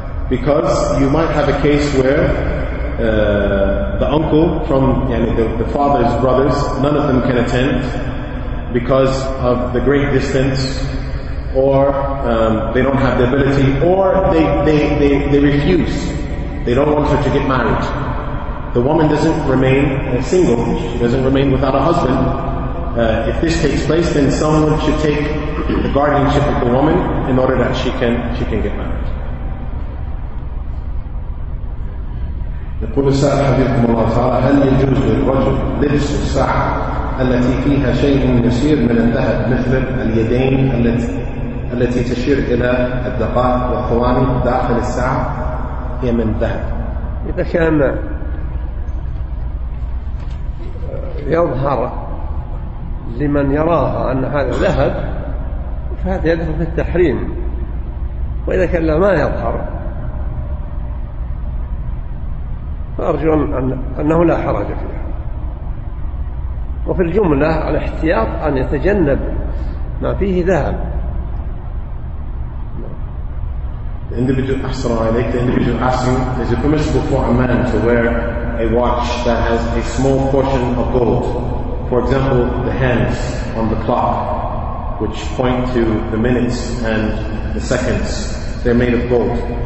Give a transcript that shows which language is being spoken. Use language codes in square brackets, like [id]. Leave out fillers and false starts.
[en] Because you might have a case where the uncle from the father's brothers, none of them can attend because of the great distance, or they don't have the ability, or they refuse. They don't want her to get married. The woman doesn't remain single, she doesn't remain without a husband. If this takes place, then someone should take the guardianship of the woman in order that she can get married. [ar] يقول السائل حفظكم الله تعالى هل يجوز للرجل لبس الساعة التي فيها شيء يسير من الذهب مثل اليدين التي تشير إلى الدقائق والثواني داخل الساعة هي من ذهب إذا كان يظهر لمن يراها أن هذا ذهب فهذا يدخل في التحريم وإذا كان لا ما يظهر أرجو أنه لا حرج فيها وفي الجملة الاحتياط أن يتجنب ما فيه ذهب. [en] The individual, [ar] أحسن عليك, [en] the individual asking, is it permissible for a man to wear a watch that has a small portion of gold? For example, the hands on the clock, which point to the minutes and the seconds, they're made of gold.